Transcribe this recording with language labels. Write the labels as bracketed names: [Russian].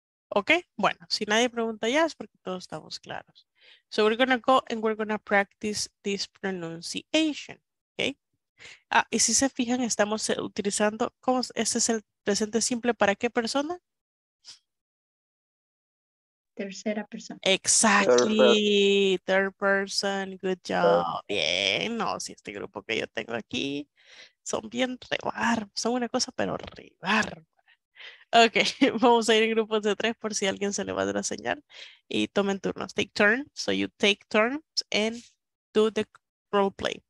[Spanish] Ok, bueno, si nadie pregunta ya es porque todos estamos claros. [English] So we're going to go and we're going to practice this pronunciation. Ok. [Spanish] Ah, y si se fijan, estamos utilizando, ¿cómo? ¿Este es el presente simple para qué persona? Tercera persona. [English] Exactly. Third person. Good job. [Spanish] Bien. No, si este grupo que yo tengo aquí son bien rebarbas. Son una cosa, pero rebarbas. Ok, vamos a ir en grupos de tres por si alguien se le va a dar la señal. Y tomen turnos. [English] Take turns. So you take turns and do the role play.